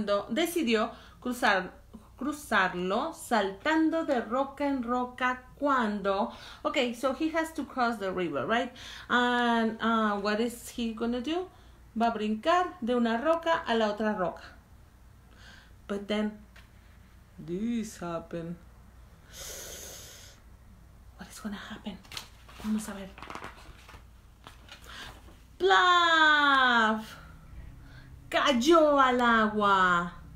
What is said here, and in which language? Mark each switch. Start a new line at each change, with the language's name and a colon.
Spanish: Decidió cruzarlo saltando de roca en roca cuando.
English: Okay, so he has to cross the river, right? And what is he gonna do?
Spanish: Va a brincar de una roca a la otra roca.
English: But then this happened. What is gonna happen?
Spanish: Vamos a ver. ¡Plaf! Cayó al agua.